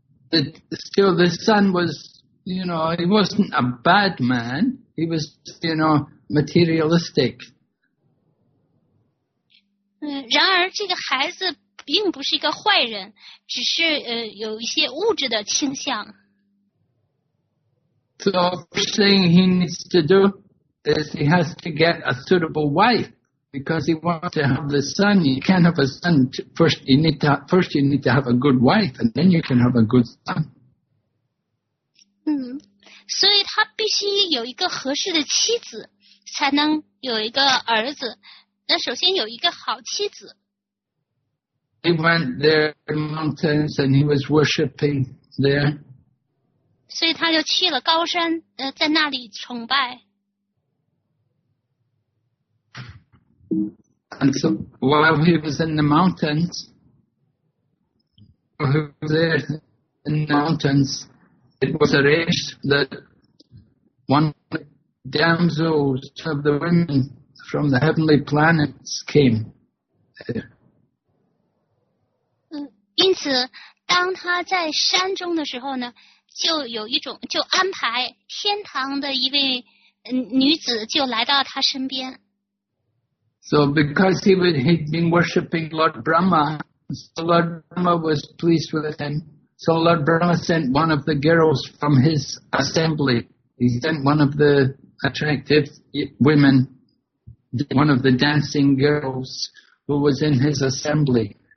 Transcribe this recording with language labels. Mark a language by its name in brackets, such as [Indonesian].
[English] Still, the son was, you know, he wasn't a bad man. He was, you know, materialistic. [Chinese] 然而这个孩子并不是一个坏人，只是有一些物质的倾向。 [English] So first thing he needs to do is he has to get a suitable wife because he wants to have the son. You can't have a son first. You need to have a good wife, and then you can have a good son. [Chinese] 所以他必须有一个合适的妻子，才能有一个儿子。那首先有一个好妻子。 [English] He went there in the mountains, and he was worshiping there. [Chinese] 所以他就去了高山，在那里崇拜。 [English] And so while he was in the mountains, he was there in the mountains, it was arranged that one of the damsels of the women from the heavenly planets came there. [Chinese] 因此当他在山中的时候呢，就有一种就安排天堂的一位女子就来到他身边。 [English] So because he was, he'd been worshipping Lord Brahma, so Lord Brahma was pleased with him. So Lord Brahma sent one of the girls from his assembly. He sent one of the attractive women, one of the dancing girls who was in his assembly.